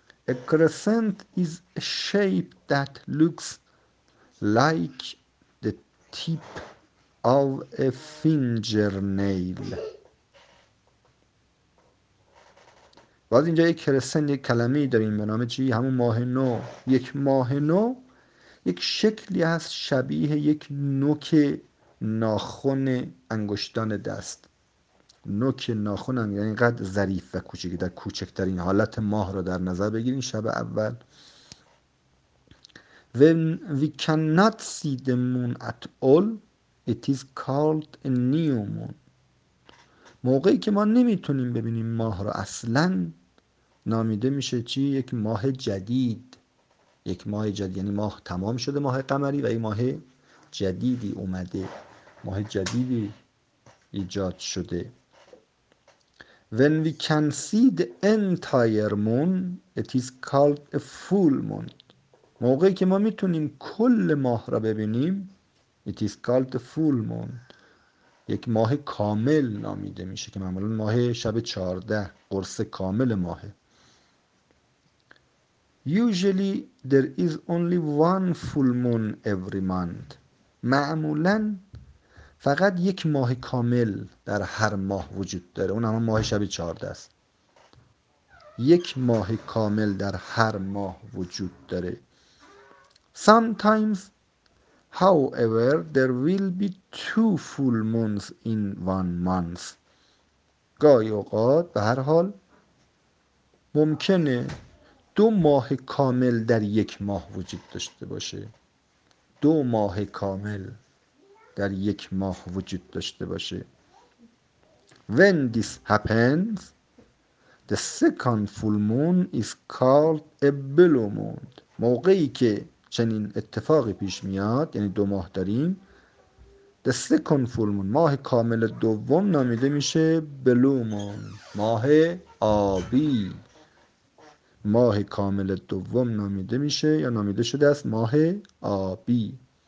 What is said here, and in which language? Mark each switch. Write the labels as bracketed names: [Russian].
[English] A crescent is a shape that looks like the tip of a fingernail. [Persian] باز اینجا یک کرسن، یک کلمه داریم به نام چی؟ همون ماه نو. یک ماه نو یک شکلی هست شبیه یک نوک ناخن انگشتان دست. نوک ناخن هم یعنی قد ظریف و کوچکی، در کوچکترین حالت ماه رو در نظر بگیرین شب اول. [English] When we cannot see the moon at all, it is called a new moon. [Persian] موقعی که ما نمیتونیم ببینیم ماه رو اصلاً، نامیده میشه چی؟ یک ماه جدید. یک ماه جدید یعنی ماه تمام شده، ماه قمری، و یک ماه جدیدی اومده، ماه جدیدی ایجاد شده. [English] When we can see the entire moon, it is called a full moon. [Persian] موقعی که ما میتونیم کل ماه را ببینیم، [English] it is called a full moon. [Persian] یک ماه کامل نامیده میشه، که معمولا ماه شب 14، قرص کامل ماه. [English] Usually there is only one full moon every month. [Persian] معمولا فقط یک ماه کامل در هر ماه وجود داره، اون هم ماه شب 14 است. یک ماه کامل در هر ماه وجود داره. [English] Sometimes however there will be two full moons in one month. [Persian] گاهی اوقات به هر حال ممکنه دو ماه کامل در یک ماه وجود داشته باشه. دو ماه کامل در یک ماه وجود داشته باشه. [English] When this happens, the second full moon is called a blue moon. [Persian] موقعی که چنین اتفاقی پیش میاد، یعنی دو ماه داریم، [English] the second full moon، [Persian] ماه کامل دوم، نامیده میشه blue moon، ماه آبی. ماه کامل دوم نامیده میشه، یا نامیده شده است، ماه آبی.